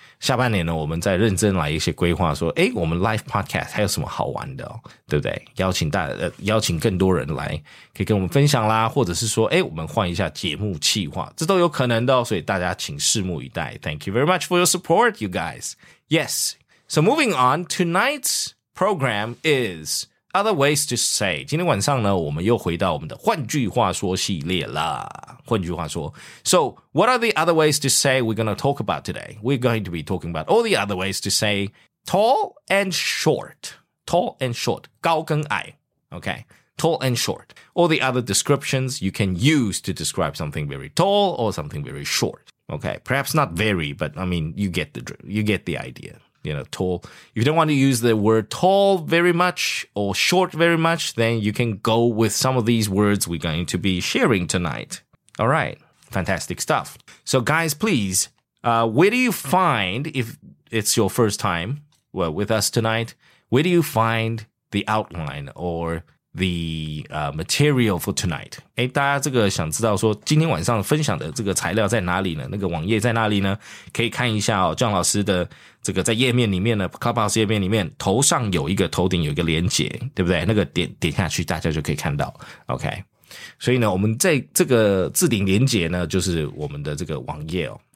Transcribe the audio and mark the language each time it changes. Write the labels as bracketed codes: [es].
[zh] 下半年呢我们再认真来一些规划说我们 live podcast 还有什么好玩的、哦、对不对邀请更多人来可以跟我们分享啦或者是说我们换一下节目企划这都有可能的、哦、所以大家请拭目以待 [en] Thank you very much for your support, you guys. Yes, so moving on, tonight's program is Other Ways to Say. [zh] 今天晚上呢我们又回到我们的换句话说系列啦。换句话说 [en] So what are the other ways to say we're going to talk about today? We're going to be talking about all the other ways to say tall and short, [zh] 高跟矮 [en] okay, tall and short, all the other descriptions you can use to describe something very tall or something very short, okay, perhaps not very, but I mean, you get the idea. You know, tall. If you don't want to use the word tall very much or short very much, then you can go with some of these words we're going to be sharing tonight. All right. Fantastic stuff. So guys, please, where do you find, if it's your first time with us tonight, where do you find the outline or the material for tonight? [zh] 大家这个想知道说今天晚上分享的这个材料在哪里呢？那个网页在哪里呢？可以看一下哦，John老师的这个在页面里面呢 ，Clubhouse 页面里面头上有一个头顶有一个连结，对不对？那个点下去，大家就可以看到。OK， 所以呢，我们在这个置顶连结呢，就是我们的这个网页哦。